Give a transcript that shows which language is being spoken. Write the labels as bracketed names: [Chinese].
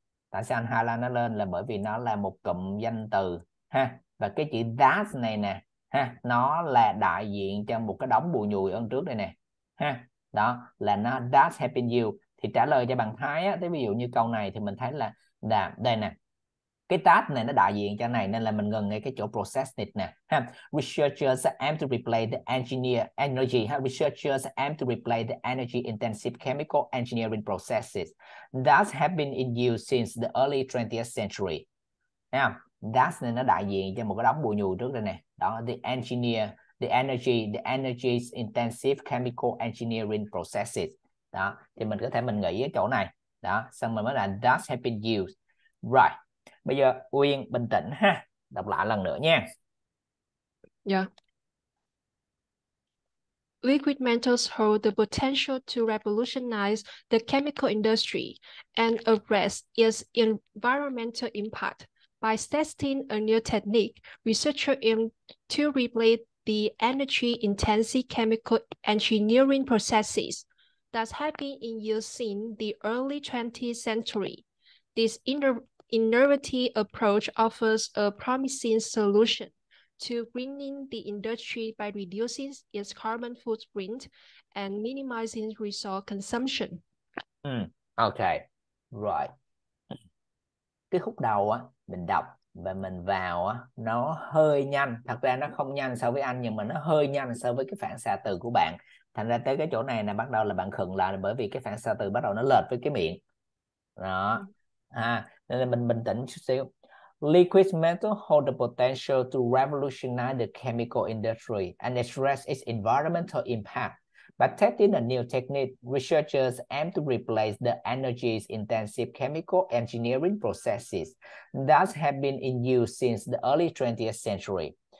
[Vietnamese] Tại sao anh highlight nó lên là bởi vì nó là một cụm danh từ ha, và cái chữ that này nè ha, nó là đại diện cho một cái đống bùi nhùi ơn trước đây nè ha. Đó là nó [English] that have been used, [Vietnamese] thì trả lời cho bằng Thái á, thế ví dụ như câu này thì mình thấy là đây nè. Cái task này nó đại diện cho này nên là mình ngừng ngay cái chỗ process này nè. [English] Researchers aim to replace the engineer energy. Researchers aim to replace the energy intensive chemical engineering processes that have been in use since the early 20th century. [Vietnamese] Task này nó đại diện cho một cái đống bùi nhùi trước đây nè. Đó, [English] the energy intensive chemical engineering processes. [Vietnamese] Đó, thì mình có thể mình nghĩ cái chỗ này. Đó, xong mình mới là [English] that have been used. [Vietnamese] Right. Bây giờ Uyên bình tĩnh ha, đọc lại lần nữa nha. [English] Yeah. Liquid metals hold the potential to revolutionize the chemical industry and address its environmental impact. By testing a new technique, researchers aim to replace the energy-intensive chemical engineering processes that have been in use since the early 20th century. This innovative approach offers a promising solution to greening the industry by reducing its carbon footprint and minimizing resource consumption. Okay, right. [Vietnamese] Cái khúc đầu á, mình đọc và mình vào á, nó hơi nhanh. Thật ra nó không nhanh so với anh, nhưng mà nó hơi nhanh so với cái phản xạ từ của bạn. Thành ra tới cái chỗ này là bắt đầu là bạn khựng lại, bởi vì cái phản xạ từ bắt đầu nó lệch với cái miệng. Đó. Nên là mình bình tĩnh chút xíu. [English] Liquid metal hold the potential to revolutionize the chemical industry and address its environmental impact. By testing a new technique, researchers aim to replace the energy-intensive chemical engineering processes that have been in use since the early 20th century.